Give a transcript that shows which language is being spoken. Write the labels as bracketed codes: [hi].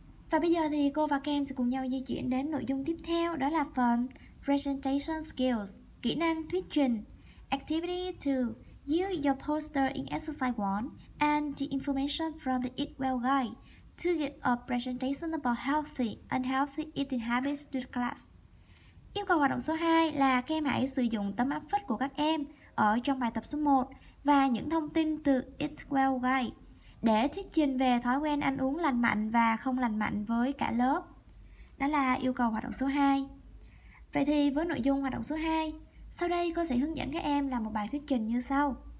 [vi] Và bây giờ thì cô và các em sẽ cùng nhau di chuyển đến nội dung tiếp theo, đó là phần Presentation Skills, kỹ năng thuyết trình. [en] Activity 2, use your poster in exercise 1 and the information from the Eat Well Guide to give a presentation about healthy and unhealthy eating habits to the class. [vi] Yêu cầu hoạt động số 2 là các em hãy sử dụng tấm áp phích của các em ở trong bài tập số 1 và những thông tin từ Eat Well Guide để thuyết trình về thói quen ăn uống lành mạnh và không lành mạnh với cả lớp. Đó là yêu cầu hoạt động số 2. Vậy thì với nội dung hoạt động số 2, sau đây cô sẽ hướng dẫn các em làm một bài thuyết trình như sau.